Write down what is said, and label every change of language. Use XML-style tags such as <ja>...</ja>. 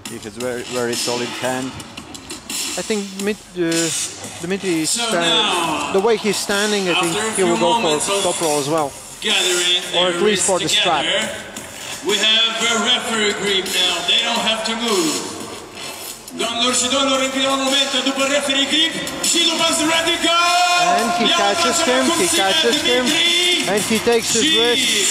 <en>He has very, very solid hand. I think Dmitry is standing. The way he's standing, I think he will go for top roll as well. Or at least for the strap. We have a referee grip now. They don't have to move.</en> <ro>Domnilor și domnilor, în primul moment, după referee grip, și după ready go!</ro> <en>And he catches him, he catches him, and he takes his wrist.</en>